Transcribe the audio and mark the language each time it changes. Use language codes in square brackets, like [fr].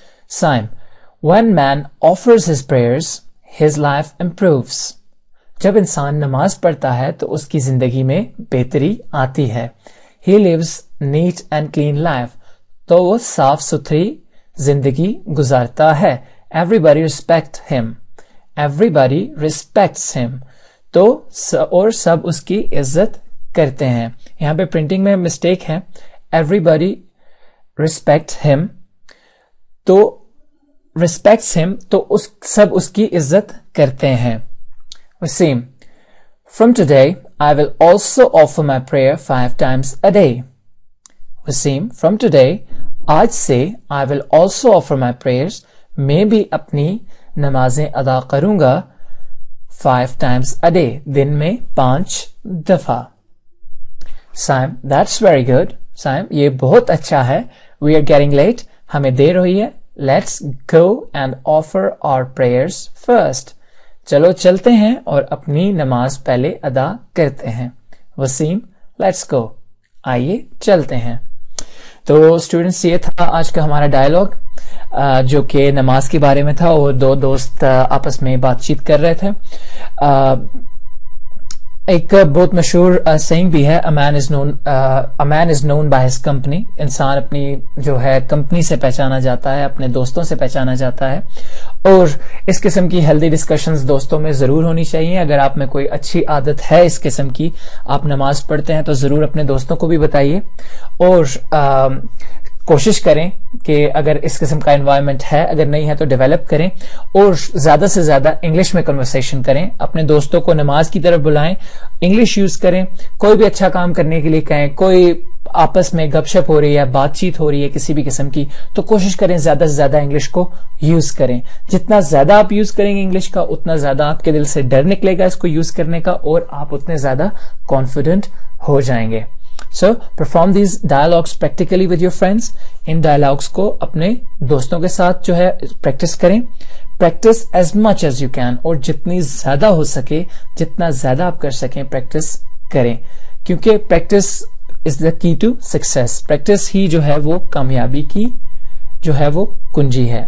[en] Saim, one man offers his prayers his life improves. [ur] جب انسان نماز پڑھتا ہے تو اس کی زندگی میں بہتری آتی ہے. [en] he lives neat and clean life, [ur] تو وہ صاف ستھری زندگی گزارتا ہے. [en] Everybody respect him. Everybody respects him. [ur] تو اور سب اس کی عزت کرتے ہیں. یہاں پہ پرنٹنگ میں مسٹیک ہے, [en] everybody respect him. [ur] تو [en] respects him, [ur] تو اس سب اس کی عزت کرتے ہیں. [en] Waseem, from today I will also offer my prayer 5 times a day. Waseem, from today [ur] آج سے [en] I will also offer my prayers, [ur] میں بھی اپنی نمازیں ادا کروں گا [en] 5 times a day, [ur] دن میں 5 دفعہ. [en] Saim, that's very good. [ur] سائم, یہ بہت اچھا ہے. [en] We are getting late, [ur] ہمیں دیر ہوئی ہے. [en] Let's go and offer our prayers first. [ur] چلو چلتے ہیں اور اپنی نماز پہلے ادا کرتے ہیں. [en] Waseem, let's go. [ur] آئیے چلتے ہیں. تو اسٹوڈینٹس, یہ تھا آج کا ہمارا ڈائلاگ جو کہ نماز کے بارے میں تھا, اور دو دوست آپس میں بات چیت کر رہے تھے. ایک بہت مشہور سینگ بھی ہے, [en] a man is known by his company. [ur] انسان اپنی جو ہے کمپنی سے پہچانا جاتا ہے, اپنے دوستوں سے پہچانا جاتا ہے. اور اس قسم کی ہیلدی ڈسکشنز دوستوں میں ضرور ہونی چاہیے. اگر آپ میں کوئی اچھی عادت ہے اس قسم کی, آپ نماز پڑھتے ہیں, تو ضرور اپنے دوستوں کو بھی بتائیے. اور کوشش کریں کہ اگر اس قسم کا انوائرمنٹ ہے, اگر نہیں ہے تو ڈیولپ کریں, اور زیادہ سے زیادہ انگلش میں کنورسیشن کریں. اپنے دوستوں کو نماز کی طرف بلائیں, انگلش یوز کریں. کوئی بھی اچھا کام کرنے کے لیے کہیں, کوئی آپس میں گپ شپ ہو رہی ہے, بات چیت ہو رہی ہے کسی بھی قسم کی, تو کوشش کریں زیادہ سے زیادہ انگلش کو یوز کریں. جتنا زیادہ آپ یوز کریں گے انگلش کا, اتنا زیادہ آپ کے دل سے ڈر نکلے گا اس کو یوز کرنے کا, اور آپ اتنے زیادہ کانفیڈنٹ ہو جائیں گے. [en] So perform these dialogues practically with your friends. [ur] In dialogues کو اپنے دوستوں کے ساتھ جو ہے پریکٹس کریں. [en] practice as much as you can, [ur] اور جتنی زیادہ ہو سکے, جتنا زیادہ آپ کر سکیں پریکٹس کریں, کیونکہ [en] Practice is the key to success. [ur] پریکٹس ہی جو ہے وہ کامیابی کی جو ہے وہ کنجی ہے.